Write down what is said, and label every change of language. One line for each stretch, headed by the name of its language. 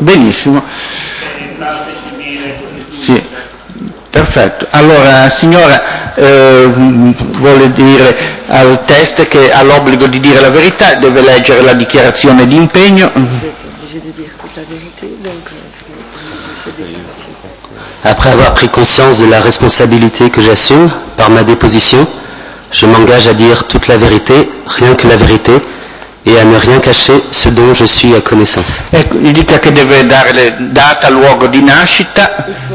Italian: Benissimo. Sì. Perfetto, allora signora vuole dire al test che ha l'obbligo di dire la verità, deve leggere la dichiarazione di impegno.
French: Après avoir pris conscience de la responsabilité que j'assume par ma déposition, je m'engage à dire toute la vérité, rien que la vérité, et à ne rien cacher ce dont je suis à connaissance.
Italian: Ecco, gli dica che deve dare le data, luogo di nascita.